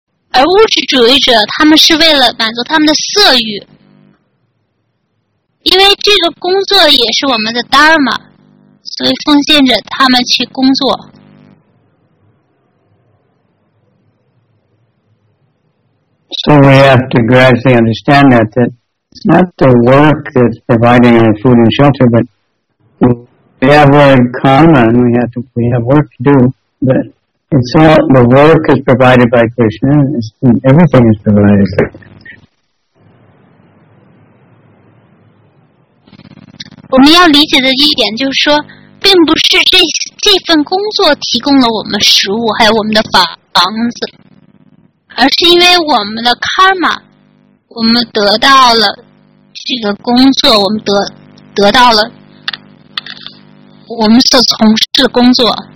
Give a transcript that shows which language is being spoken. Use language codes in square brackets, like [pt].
[zh] 而物质主义者他们是为了满足他们的色欲，因为这个工作也是我们的 Dharma， 所以奉献着他们去工作。 [en] So we have to gradually understand that it's not the work that's providing our food and shelter, but we have our karma and we have work to do, but it's all, the work is provided by Krishna, and everything is provided by Krishna. [zh] 我们要理解的一点就是说，并不是这份工作提供了我们食物，还有我们的房子。而是因为我们的 karma， 我们得到了这个工作，我们得到了我们所从事的工作。